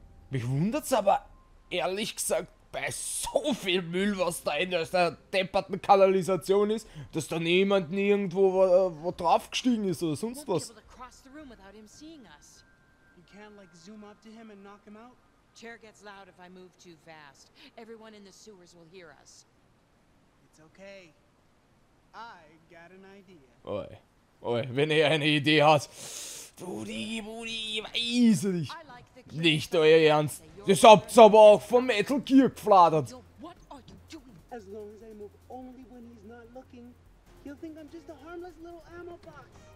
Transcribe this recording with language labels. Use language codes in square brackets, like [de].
[de] Mich wundert es aber, ehrlich gesagt, bei so viel Müll, was da in der depperten Kanalisation ist, dass da niemand nirgendwo wo drauf gestiegen ist oder sonst was. [en] You can't like zoom up to him and knock him out? Chair gets loud if I move too fast. Everyone in the sewers will hear us. It's okay. I got an idea. Oi. Oi, [de] wenn ihr eine Idee hat. Budi, weiß ich nicht. Nicht euer Ernst. Das habt ihr aber auch vom Metal Gear gefladert. [en] What are you doing? As long as I move only when he's not looking, he'll think I'm just a harmless little ammo box.